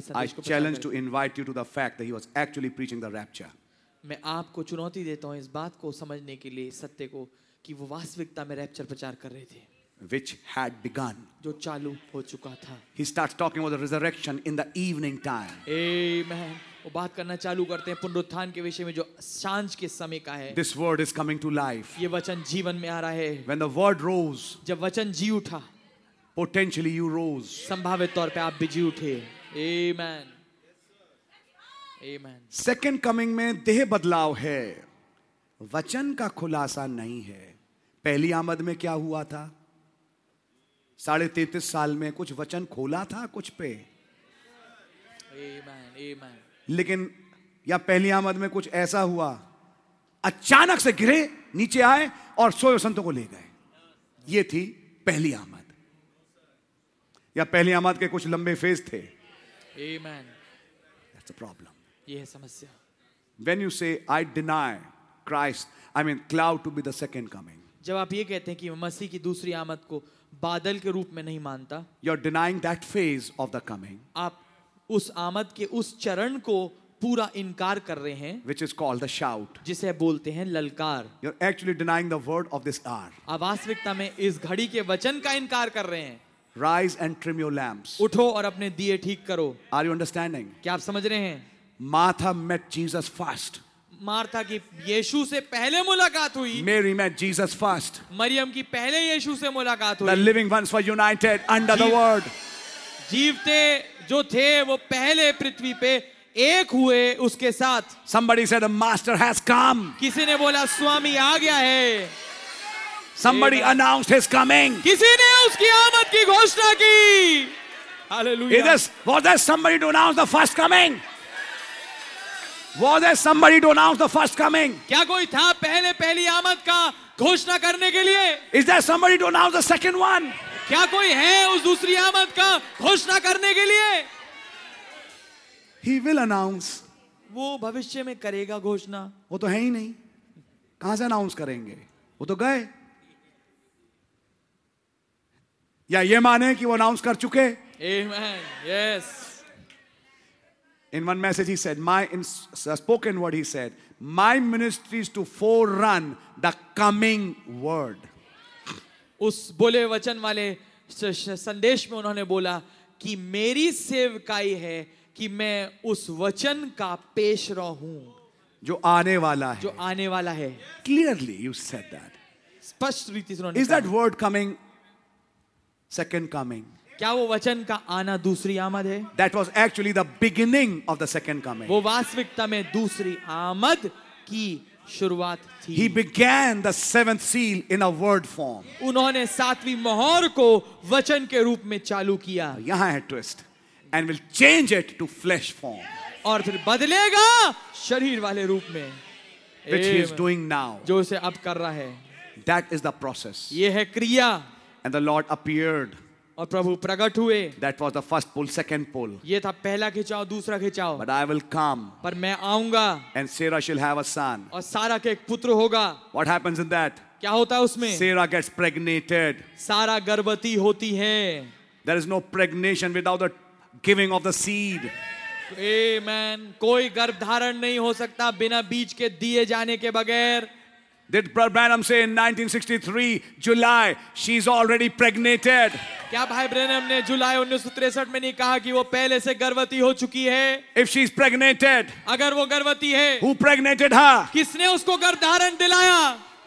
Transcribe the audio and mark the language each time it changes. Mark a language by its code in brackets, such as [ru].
[hi] संदेश को, [en] I challenge to invite you to the fact that he was actually preaching the rapture. [hi] मैं आपको चुनौती देता हूं इस बात को समझने के लिए, सत्य को, कि वो वास्तविकता में रैप्चर प्रचार कर रहे थे. [en] Which had begun, [hi] जो चालू हो चुका था. [en] He starts talking about the resurrection in the evening time. Amen. [hi] वो बात करना चालू करते हैं पुनरुत्थान के विषय में जो सांझ के समय का है. [en] This word is coming to life. [hi] ये वचन जीवन में आ रहा है. [en] When the word rose, [hi] जब वचन जी उठा. [en] Potentially you rose. [hi] संभावित तौर पे आप भी जी उठे. Amen. Amen. Second coming में देह बदलाव है, वचन का खुलासा नहीं है. पहली आमद में क्या हुआ था? 33.5 साल में कुछ वचन खोला था कुछ पे. [en] Amen. Amen. [hi] लेकिन या पहली आमद में कुछ ऐसा हुआ, अचानक से गिरे, नीचे आए और सोए संतों को ले गए. ये थी पहली आमद. या पहली आमद के कुछ लंबे फेज थे. [en] Amen. That's a problem. [hi] ये है समस्या. [en] When you say I deny Christ, I mean cloud to be the second coming. [hi] जब आप ये कहते हैं कि मसीह की दूसरी आमद को बादल के रूप में नहीं मानता, [en] you are denying that phase of the coming. [hi] आप उस आमद के उस चरण को पूरा इनकार कर रहे हैं. [en] Which is called the shout. [hi] जिसे बोलते हैं ललकार. [en] You're actually denying the word of this hour. [hi] आप वास्तविकता में इस घड़ी के वचन का इनकार कर रहे हैं. [en] Rise and trim your lamps. [hi] उठो और अपने दिए ठीक करो. [en] Are you understanding? [hi] क्या आप समझ रहे हैं? [en] Martha met Jesus first. [hi] Martha की यीशु से पहले मुलाकात हुई. [en] Mary met Jesus first. [hi] Maryam की पहले यीशु से मुलाकात हुई. [en] The living ones were united under the word. [hi] जीवते जो थे वो पहले पृथ्वी पे एक हुए उसके साथ. [en] Somebody said the master has come. [hi] किसी ने बोला स्वामी आ गया है. [en] Somebody announced his coming. [hi] किसी ने उसकी आमद की घोषणा की. Hallelujah. [en] Was there somebody to announce the first coming? Was there somebody to announce the first coming? [hi] क्या कोई था पहले पहली आमद का घोषणा करने के लिए? [en] Is there somebody to announce the second one? [hi] क्या कोई है उस दूसरी आमद का घोषणा करने के लिए? [en] He will announce. [hi] वो भविष्य में करेगा घोषणा. वो तो है ही नहीं. कहां से अनाउंस करेंगे? वो तो गए. या ये माने कि वो अनाउंस कर चुके. [en] Amen. Yes. In one message he said, my ministry is to forerun the coming word. [hi] उस बोले वचन वाले संदेश में उन्होंने बोला कि मेरी सेवकाई है कि मैं उस वचन का पेशरौ हूं जो आने वाला है. जो आने वाला है. [en] Clearly you said that. [hi] स्पष्ट रीति से उन्होंने. [en] Is that word coming? Second coming. [hi] क्या वो वचन का आना दूसरी आमद है? [en] That was actually the beginning of the second coming. [hi] वो वास्तविकता में दूसरी आमद की शुरुआत थी. [en] He began the seventh seal in a word form. [hi] उन्होंने सातवीं मोहर को वचन के रूप में चालू किया. यहां है twist. [en] And will change it to flesh form. [hi] और फिर बदलेगा शरीर वाले रूप में. [en] Which he is doing now. [hi] जो उसे अब कर रहा है. [en] That is the process. [hi] ये है क्रिया. [en] And the Lord appeared. [hi] और प्रभु प्रकट हुए. [en] That was the first pull, second pull. [hi] ये था पहला खिंचाव, दूसरा खिंचाव. [en] But I will come. [hi] पर मैं आऊंगा. [en] And Sarah shall have a son. [hi] और सारा के एक पुत्र होगा. [en] What happens in that? [hi] क्या होता है उसमें? [en] Sarah gets pregnated. [hi] सारा गर्भवती होती है. [en] There is no pregnation without the giving of the seed. Amen. [hi] कोई गर्भधारण नहीं हो सकता बिना बीज के दिए जाने के बगैर. [en] Did Brother Branham say in 1963 July she's already pregnant? [hi] क्या भाई ब्रैनम ने जुलाई 1963 में नहीं कहा कि वो पहले से गर्भवती हो चुकी है? [en] If she's pregnant, [hi] अगर वो गर्भवती है, [en] who pregnanted her? [hi] किसने उसको गर्भधारण दिलाया?